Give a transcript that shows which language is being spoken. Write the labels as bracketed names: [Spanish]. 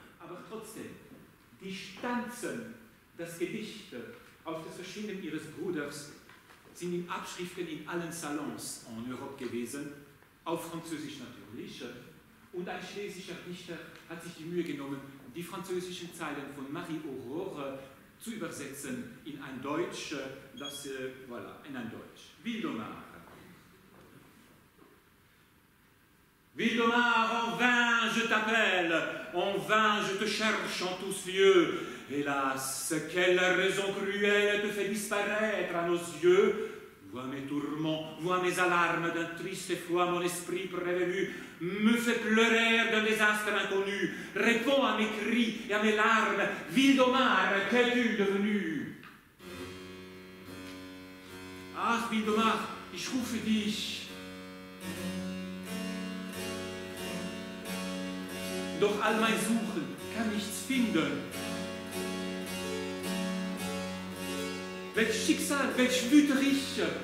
[German] Aber trotzdem, die Stanzen, das Gedicht auf das Verschwinden ihres Bruders sind in Abschriften in allen Salons in Europa gewesen, auf Französisch natürlich, und ein schlesischer Dichter hat sich die Mühe genommen, die französischen Zeilen von Marie Aurore zu übersetzen in ein Deutsch, das, voilà, in ein Deutsch. Wildomar. [French] Wildomar, en vain je t'appelle, en vain je te cherche en tous lieux. Hélas, quelle raison cruelle te fait disparaître à nos yeux. Vois mes tourments, vois mes alarmes, d'un triste effroi mon esprit prévenu me fait pleurer d'un désastre inconnu. Réponds à mes cris et à mes larmes, Wildomar, qu'es-tu devenu? [German] Ach, Wildomar, ich rufe dich. Doch all mein Suchen kann nichts finden. Welch Schicksal, welch Wüterich!